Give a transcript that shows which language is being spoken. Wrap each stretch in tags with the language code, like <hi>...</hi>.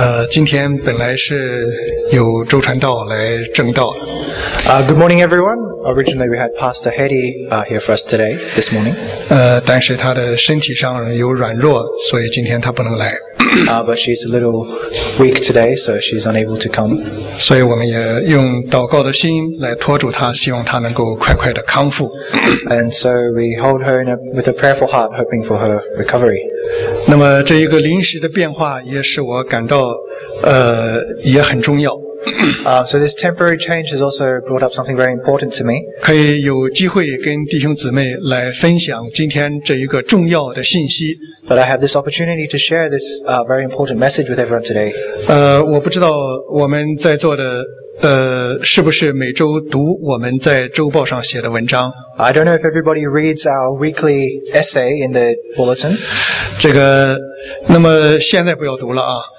<zh>今天本来是有周传道来证道。</zh> <en>Good morning, everyone. Originally, we had Pastor Hedy here for us today, this morning.</en> <zh>但是他的身体上有软弱，所以今天他不能来。</zh> <en>But she's a little weak today, so she's unable to come.</en> <zh>所以我们也用祷告的心来托住她，希望她能够快快的康复。</zh> <en>And so we hold her with a prayerful heart, hoping for her recovery.</en> <zh>那么这一个临时的变化也使我感到也很重要。</zh> <en>So this temporary change has also brought up something very important to me.</en> <zh>可以有机会跟弟兄姊妹来分享今天这一个重要的信息。</zh> <en>But I have this opportunity to share this very important message with everyone today.</en> <zh>我不知道我们在座的是不是每周读我们在周报上写的文章。</zh> <en>I don't know if everybody reads our weekly essay in the bulletin.</en> <zh>这个，那么现在不要读了啊。</zh>